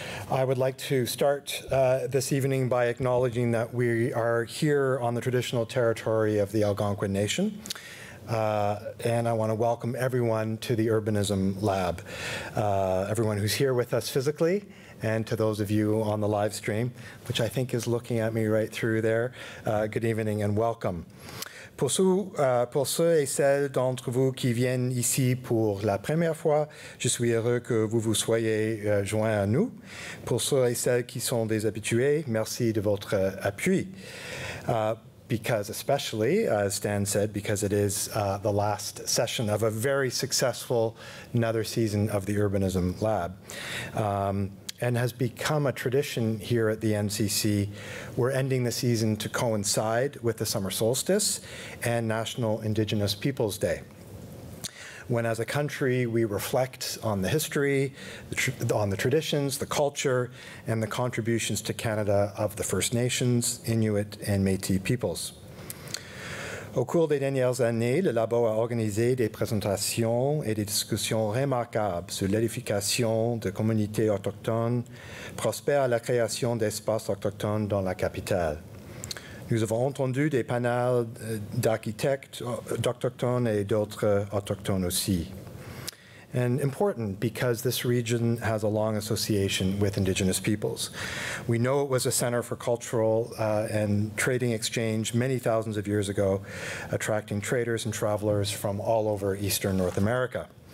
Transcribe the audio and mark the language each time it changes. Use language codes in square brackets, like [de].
[en] I would like to start this evening by acknowledging that we are here on the traditional territory of the Algonquin Nation. And I want to welcome everyone to the Urbanism Lab, everyone who's here with us physically, and to those of you on the live stream, which I think is looking at me right through there. Good evening and welcome. [fr] Pour ceux et celles d'entre vous qui viennent ici pour la première fois, je suis heureux que vous vous soyez joints à nous. Pour ceux et celles qui sont des habitués, merci de votre appui. [en] Because especially, as Stan said, because it is the last session of a very successful another season of the Urbanism Lab. And has become a tradition here at the NCC. We're ending the season to coincide with the summer solstice and National Indigenous Peoples Day. When as a country, we reflect on the history, on the traditions, the culture, and the contributions to Canada of the First Nations, Inuit, and Métis peoples. [fr] Au cours des dernières années, le Labo a organisé des présentations et des discussions remarquables sur l'édification de communautés autochtones, prospère à la création d'espaces autochtones dans la capitale. Nous avons entendu des panels d'architectes, d'autochtones et d'autres autochtones aussi. [en] and important because this region has a long association with Indigenous peoples. We know it was a center for cultural and trading exchange many thousands of years ago, attracting traders and travelers from all over Eastern North America.